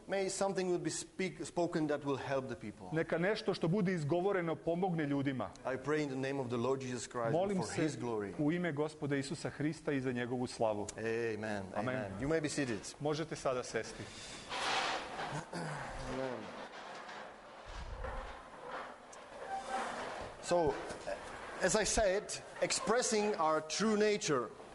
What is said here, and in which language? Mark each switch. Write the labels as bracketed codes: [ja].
[en] May something would be spoken that will help the people. [sr] Neka nešto što bude izgovoreno pomogne ljudima. [en] I pray in the name of the Lord Jesus Christ [sr] Molim [en] for his glory. [sr] U ime Gospoda Isusa Hrista I za njegovu slavu. [en] Amen. Amen. You may be seated. [sr] Možete sada sesti. [en] Amen. So As I said, expressing our true nature.